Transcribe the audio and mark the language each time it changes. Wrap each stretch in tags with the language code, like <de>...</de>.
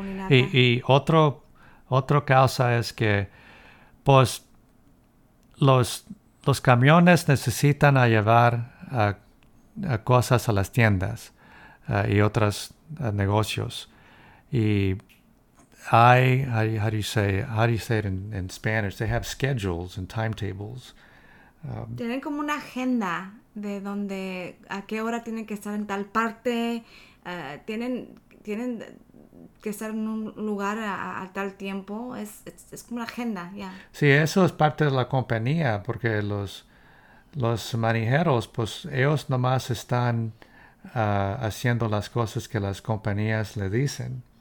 <es>Y otro causa es que pues los camiones necesitan llevar a cosas a las tiendas y otros negocios. Y hay,</es> <en>how do you say it in Spanish? They have schedules and timetables.</en> <es>Tienen como una agenda de donde, a qué hora tienen que estar en tal parte, tienen que estar en un lugar a tal tiempo, es como una agenda, ya.</es> <en>Yeah.</en> <es>Sí, eso es parte de la compañía, porque los manejeros, pues ellos nomás están haciendo las cosas que las compañías le dicen.</es>